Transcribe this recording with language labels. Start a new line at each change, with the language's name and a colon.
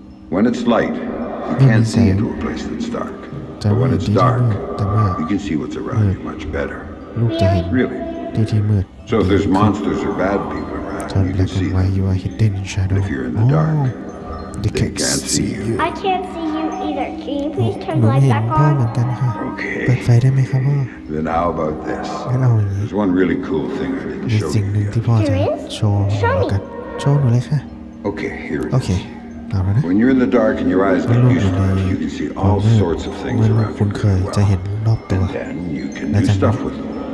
English: When it's light, you can't see into a place that's dark. But when it's dark, you can see what's around you much better. Really? So if there's monsters or bad people around, you can see them. You are hidden in shadow. If you're in the dark, they can't see you. I can't see you either. Can you please turn the light back on? Okay.
Thai: เปิดไฟได้ไหมครับพ่อ
English: Then how about this? There's one really cool thing I need to show you.
Thai: ที่พ่อจะ โชว์ กันโชว์หนูเลยค่ะ
English: Okay, here it is. Okay. When you're in the dark and your eyes get used to it, you can see all sorts of things around you well. And then you can do stuff with them.